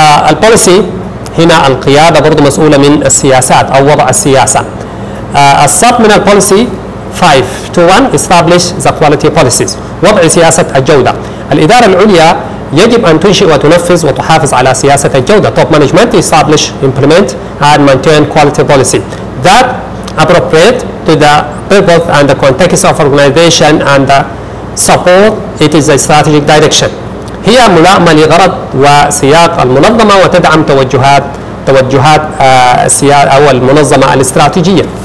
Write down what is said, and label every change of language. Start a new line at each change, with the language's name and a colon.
Arabic: البوليسي هنا القيادة برضو مسؤولة من السياسات أو وضع السياسة. الصب من البوليسي 5-1
English: establish the quality policies،
Arabic: وضع سياسة الجودة. الإدارة العليا يجب أن تنشئ وتنفذ وتحافظ على سياسة الجودة.
English: Top management establish, implement and maintain quality policy that appropriate to the purpose and the context of organization and support it is a strategic direction.
Arabic: هي ملائمة لغرض وسياق المنظمة وتدعم توجهات السيادة أو المنظمة الاستراتيجية.